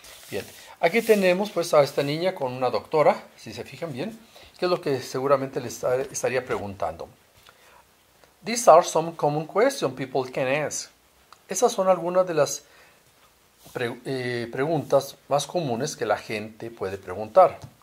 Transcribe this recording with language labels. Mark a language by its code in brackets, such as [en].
[es] Bien, aquí tenemos pues a esta niña con una doctora, si se fijan bien, que es lo que seguramente le estaría preguntando. [en] These are some common questions people can ask. [es] Esas son algunas de las preguntas más comunes que la gente puede preguntar.